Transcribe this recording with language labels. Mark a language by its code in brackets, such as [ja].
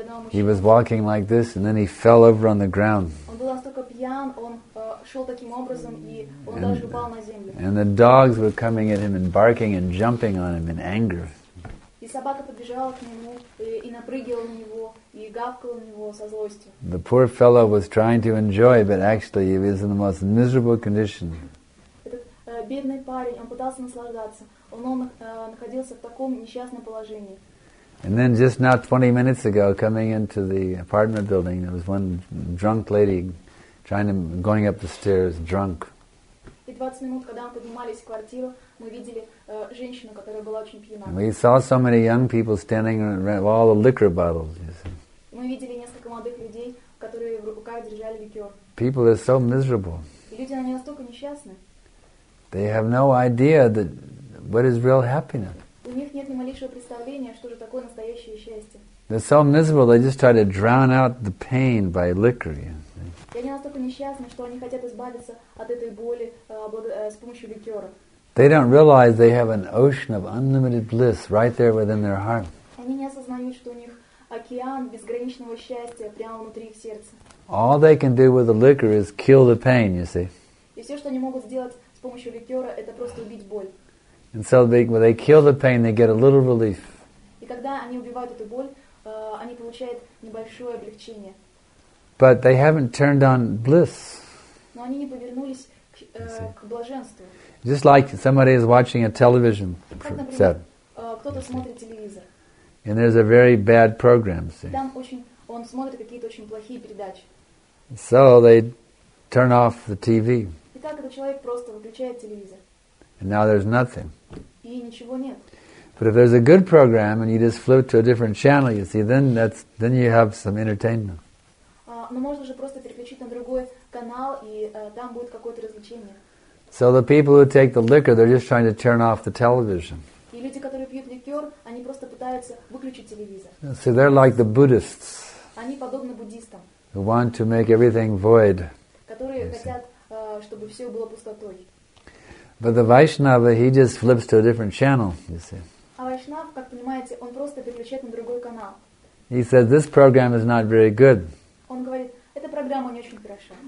[en] He was walking like this, and then he fell over on the ground. And the dogs were coming at him and barking and jumping on him in anger. The poor fellow was trying to enjoy, but actually he was in the most miserable condition. [ru] Бедный парень, он пытался наслаждаться. Он находился в таком несчастном положении. [en] And then just now 20 minutes ago, coming into the apartment building, there was one drunk lady going up the stairs, drunk. [ru] И 20 минут, когда мы поднимались в квартиру, мы видели женщину, которая была очень пьяна. [en] We saw so many young people standing around with all the liquor bottles, you see. [ru] Мы видели несколько молодых людей, которые в руках держали ликер. [en] People are so miserable. [ru] Люди, они настолько несчастны. [en] They have no idea that what is real happiness. [ru] У них нет ни малейшего представления, что же такое настоящее счастье. [en] They're so miserable, they just try to drown out the pain by liquor. [ru] И они настолько несчастны, что они хотят избавиться от этой боли с помощью ликера. [en] They don't realize they have an ocean of unlimited bliss right there within their heart. [ru] Они не осознают, что у них океан безграничного счастья прямо внутри их сердца. [en] All they can do with the liquor is kill the pain, you see. [ru] И все, что они могут сделать с помощью ликера, это просто убить боль. [en] And so they kill the pain, they get a little relief. [ru] И когда они убивают эту боль, они получают небольшое облегчение. [en] But they haven't turned on bliss. [ru] Но они не повернулись к блаженству. [en] Just like somebody is watching a television set. [ru] Кто-то смотрит телевизор. [en] And there's a very bad program, see. [ru] Там он смотрит какие-то очень плохие передачи. [en] So they turn off the TV. [ru] Так этот человек просто выключает телевизор. [en] And now there's nothing. [ru] И ничего нет. [en] But if there's a good program and you just flip to a different channel, you see, then you have some entertainment. [ru] Но можно же просто переключить на другой канал, и там будет какое-то развлечение. [en] So the people who take the liquor, they're just trying to turn off the television. [ru] И люди, которые пьют ликер, они просто пытаются выключить телевизор. [en] See, they're like the Buddhists. [ru] Они подобны буддистам. [en] Who want to make everything void. [ru] Которые хотят чтобы все было пустотой. [en] But the Vaishnava, he just flips to a different channel, you see. [ru] А Вайшнав, как понимаете, он просто переключает на другой канал. [en] He says, this program is not very good. [ru] Он говорит, эта программа не очень хороша.